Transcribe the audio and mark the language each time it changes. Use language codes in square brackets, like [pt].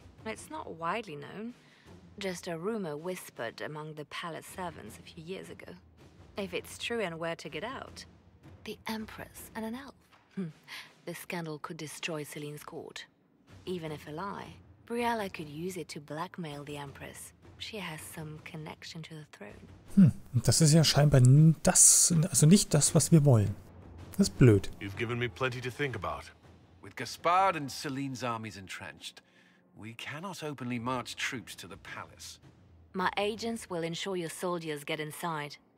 [en] It's not widely known. Just a rumor whispered among the palace servants a few years ago. If it's true and where to get out. The Empress and an elf. The scandal could destroy Celine's court. Even if a lie, Briella could use it to blackmail the Empress. She has some connection to the throne. [de] Das ist ja scheinbar nicht das, was wir wollen. Das ist blöd. [en] You've given me plenty to think about. With Gaspard and Celine's armies entrenched, we cannot openly march troops to the palace. My agents will ensure your soldiers get inside.